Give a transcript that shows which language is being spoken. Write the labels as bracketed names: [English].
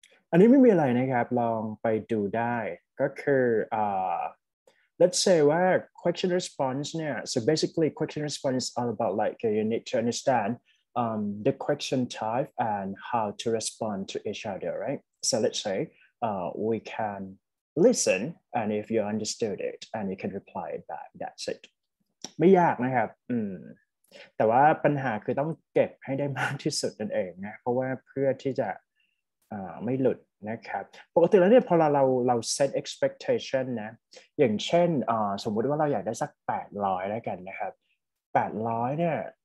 [Thai] อันนี้ไม่มีอะไรนะครับลองไปดูได้ก็คือ [English] let's say ว่า question response เนี่ย so basically question response is all about like you need to understandthe question type and how to respond to each other, right? So let's say we can listen, and if you understood it, and you can reply it back, that's it. [Thai] ไม่ยากนะครับแต่ว่าปัญหาคือต้องเก็บให้ได้มากที่สุดนั่นเองนะเพราะว่าเพื่อที่จะไม่หลุดนะครับปกติแล้วเนี่ยพอเรา set expectation นะอย่างเช่นสมมติว่าเราอยากได้สัก800แล้วกันนะครับ800เนี่ย